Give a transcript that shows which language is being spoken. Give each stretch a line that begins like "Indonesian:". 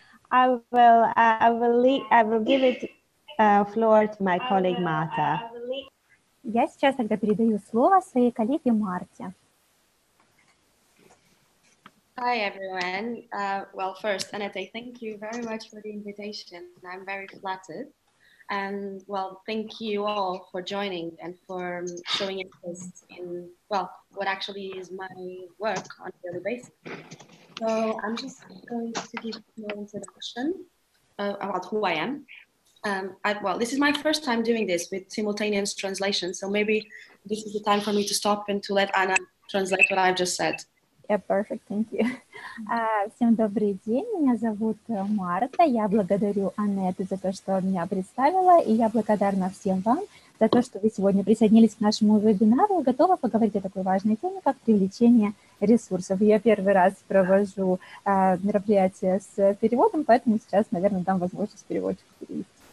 English: I will give the floor to my colleague Marta.
Russian: Я сейчас тогда передаю слово своей коллеге Марте.
English: Hi everyone. Well, first, Annette, thank you very much for the invitation. I'm very flattered. And well, thank you all for joining and for showing interest in well, what actually is my work on a daily basis. So I'm just going to give you an introduction about who I am. This is my first time doing this with simultaneous translation, so maybe this is the time for me to stop and to let Anna translate what I've just said. Yeah, perfect, thank you.
Russian: Всем добрый день, меня зовут Марта, я благодарю Аннетту за то, что меня представила, и я благодарна всем вам за то, что вы сегодня присоединились к нашему вебинару и готовы поговорить о такой важной теме, как привлечение ресурсов. Я первый раз провожу мероприятие с переводом, поэтому сейчас, наверное, дам возможность переводчику перевести.